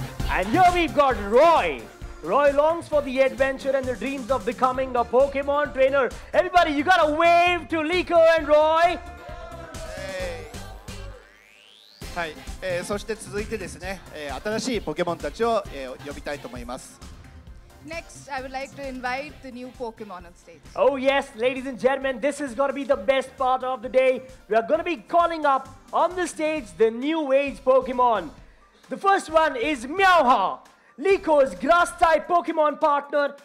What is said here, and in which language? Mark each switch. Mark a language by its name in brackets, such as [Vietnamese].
[English] And here we've got Roy. Roy longs for the adventure and the dreams of becoming a Pokemon trainer. Everybody, you gotta wave to Liko and Roy. [Japanese] はい、そして続いてですね、新しいポケモンたちを、呼びたいと思います。 [English] Next, I would like to invite the new Pokemon on stage. Oh yes, ladies and gentlemen, this is going to be the best part of the day. We are going to be calling up on the stage the new age Pokemon. The first one is Meowha, Liko's grass-type Pokemon partner.